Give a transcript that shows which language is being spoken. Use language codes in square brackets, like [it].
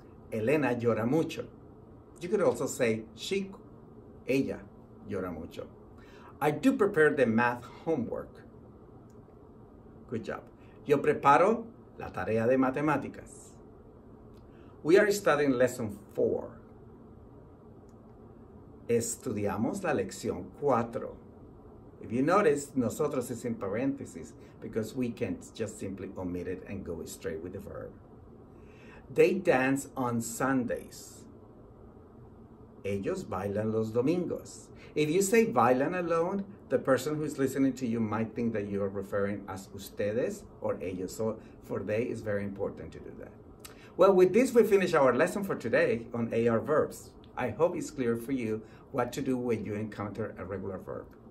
[es] Elena llora mucho. [en] You could also say, [es] ella llora mucho. [en] I do prepare the math homework. Good job. [es] Yo preparo la tarea de matemáticas. [en] We are studying lesson 4. [es] Estudiamos la lección 4. [en] If you notice, nosotros is in parentheses because we can't just simply omit it and go straight with the verb. They dance on Sundays. [es] Ellos bailan los domingos. [en] If you say bailan alone, the person who is listening to you might think that you are referring as ustedes or ellos. So for they, it's very important to do that. Well, with this, we finish our lesson for today on AR verbs. I hope it's clear for you what to do when you encounter a regular verb.